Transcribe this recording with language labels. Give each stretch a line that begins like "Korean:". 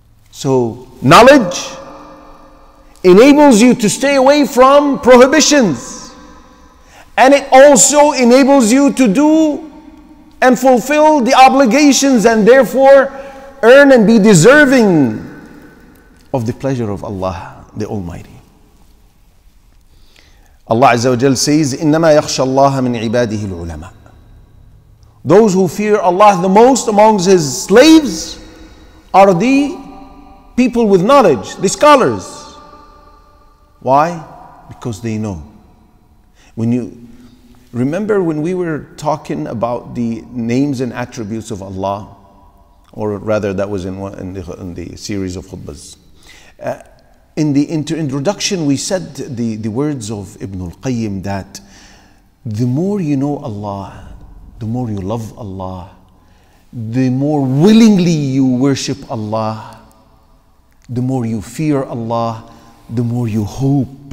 English: So knowledge enables you to stay away from prohibitions, and it also enables you to do and fulfill the obligations and therefore earn and be deserving of the pleasure of Allah, the Almighty. Allah Azza wa Jal says,
Arabic: إِنَّمَا يَخْشَى اللَّهَ مِنْ عِبَادِهِ الْعُلَمَاء.
English: Those who fear Allah the most amongst His slaves are the people with knowledge, the scholars. Why? Because they know. When you remember when we were talking about the names and attributes of Allah, or rather that was in the series of khutbas, in the introduction we said the words of Ibn al-Qayyim, that the more you know Allah, the more you love Allah, the more willingly you worship Allah, the more you fear Allah, the more you hope